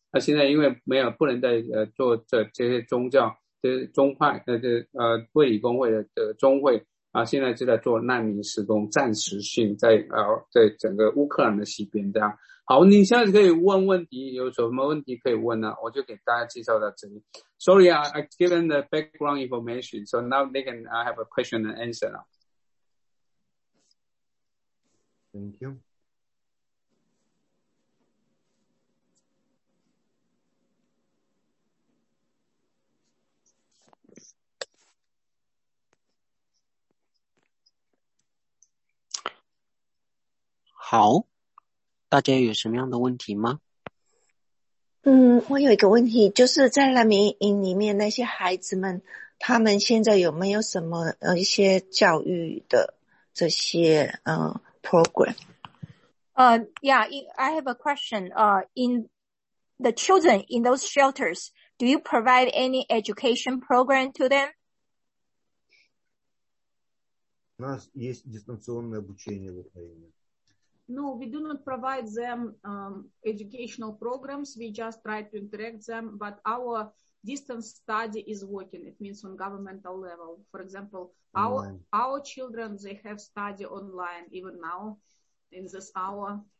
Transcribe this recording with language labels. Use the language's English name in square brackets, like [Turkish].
[Chinese] 那现在因为没有不能再做这些宗教这些宗派卫理公会的中会啊，现在就在做难民施工，暂时性在在整个乌克兰的西边这样。好，你现在可以问问题，有什么问题可以问呢？我就给大家介绍到这里。 [English] Sorry, I given the background information, so now they can have a question and answer. Thank you. How? [Chinese] 大家有什么样的问题吗？我有一个问题，就是在难民营里面那些孩子们，他们现在有没有什么一些教育的这些program？ [English] I have a question. In the children in those shelters, do you provide any education program to them? [Russian] У нас есть дистанционное обучение в Украине. [English] No, we do not provide them educational programs. We just try to interact them. But our distance study is working. It means on governmental level. For example, our children, they have study online even now in this hour.